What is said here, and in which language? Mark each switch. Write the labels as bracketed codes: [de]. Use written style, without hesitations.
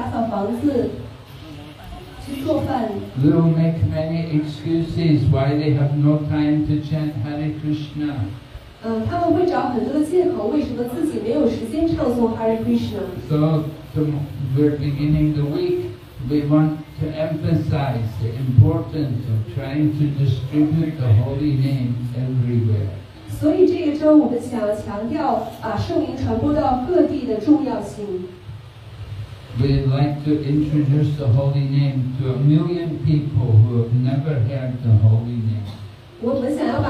[zh] 他们没有时间，总是要去工作，去照顾家庭，去打扫房子，去做饭。 [en] They will make many excuses why they have no time to chant Hare Krishna. [zh] 他们会找很多的借口，为什么自己没有时间唱诵 Hare Krishna？ [en] So, we're beginning the week. We want to emphasize the importance of trying to distribute the holy name everywhere. [zh] 所以这一周我们想强调圣名传播到各地的重要性。 [en] We'd like to introduce the holy name to 1 million people who have never heard the holy name.